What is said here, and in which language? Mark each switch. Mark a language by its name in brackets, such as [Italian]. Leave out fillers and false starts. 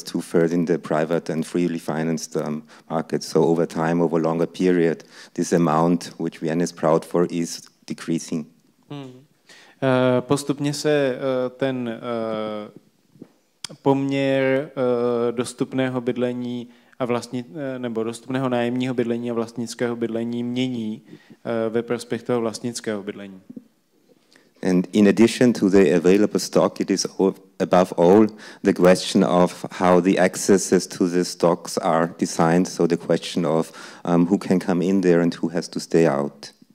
[English] It's two-thirds in the private and freely financed market. So over time, over longer period, this amount, which Vienna is proud for, is decreasing. Mm-hmm. [Czech] Postupně se ten poměr dostupného bydlení a vlastní, nebo dostupného nájemního bydlení a vlastnického bydlení mění ve prospěch toho vlastnického bydlení. [English] And in addition to the available stock, it is above all the question of how the accesses to the stocks are designed, so the question of who can come in there and who has to stay out.